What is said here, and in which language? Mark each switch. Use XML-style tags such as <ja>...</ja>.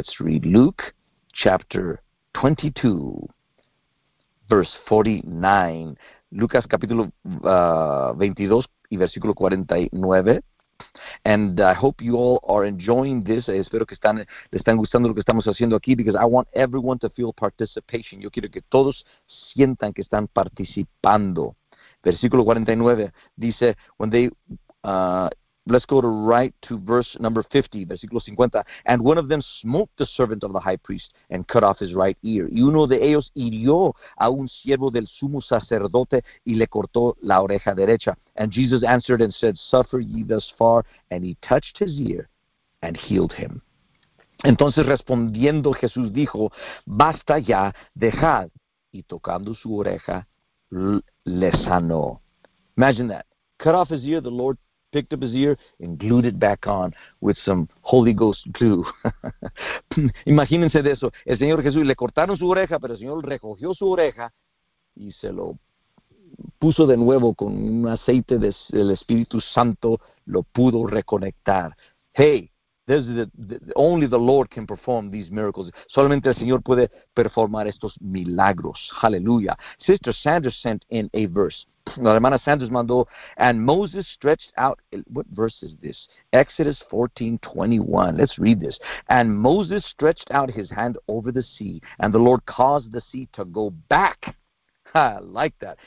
<en>Let's read Luke chapter 22, verse 49.</en> <es>Lucas, capítulo 22 y versículo 49.</es> <en>And I hope you all are enjoying this.</en> <es>Espero que están gustando lo que estamos haciendo aquí,</es> <en>because I want everyone to feel participation.</en> <es>Yo quiero que todos sientan que están participando. Versículo 49 dice,</es> <en>when they, let's go to right to verse number 50,</en> <es>versículo 50.</es> <en>And one of them smote the servant of the high priest and cut off his right ear.</en> <es>Y uno de ellos hirió a un siervo del sumo sacerdote y le cortó la oreja derecha.</es> <en>And Jesus answered and said, suffer ye thus far. And he touched his ear and healed him.</en> <es>Entonces respondiendo Jesús dijo, basta ya, dejad. Y tocando su oreja, le sanó.</es> <en>Imagine that. Cut off his ear, the Lord picked up his ear and glued it back on with some Holy Ghost glue.</en> <es>Imagínense de eso. El Señor Jesús, le cortaron su oreja, pero el Señor recogió su oreja y se lo puso de nuevo con un aceite del Espíritu Santo, lo pudo reconectar.</es> <en>Hey, this is only the Lord can perform these miracles.</en> <es>Solamente el Señor puede performar estos milagros. Hallelujah.</es> <en>Sister Sanders sent in a verse.</en> <es>La hermana Sanders mandó,</es> <en>and Moses stretched out, what verse is this? Exodus 14:21. Let's read this. And Moses stretched out his hand over the sea, and the Lord caused the sea to go back. I like that.</en>